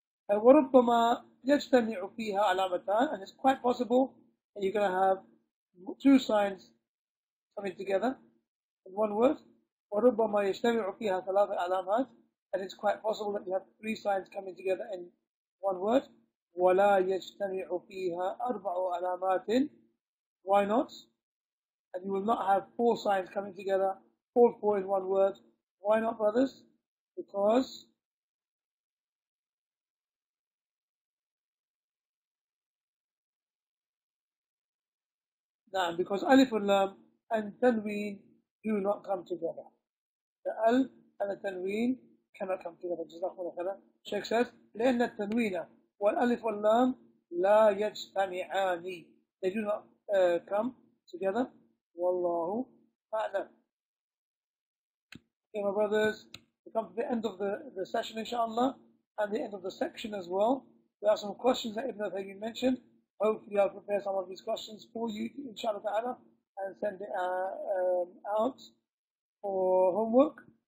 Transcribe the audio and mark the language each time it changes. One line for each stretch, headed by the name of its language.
Arabic: وربما يجتمع فيها علامتان,
English: and it's quite possible that you're going to have two signs coming together in one word.
Arabic: وربما يجتمع فيها ثلاث علامات,
English: and it's quite possible that you have three signs coming together in one word.
Arabic: ولا يجتمع فيها أربع علامات.
English: Why not? And you will not have four signs coming together, all four in one word. Why not, brothers? Because نعم, because ألف واللام and تنوين do not come together. The al and the tanween cannot come together.
Arabic: جزاكم الله خيرا.
English: Sheikh says,
Arabic: لأن التنوين والألف واللام لا يجتمعان.
English: They do not come together.
Arabic: والله أعلم.
English: Okay, my brothers, we come to the end of the session, inshallah, and the end of the section as well. There are some questions that Ibn Uthaymeen mentioned. Hopefully, I'll prepare some of these questions for you, inshallah ta'ala, and send it out for homework.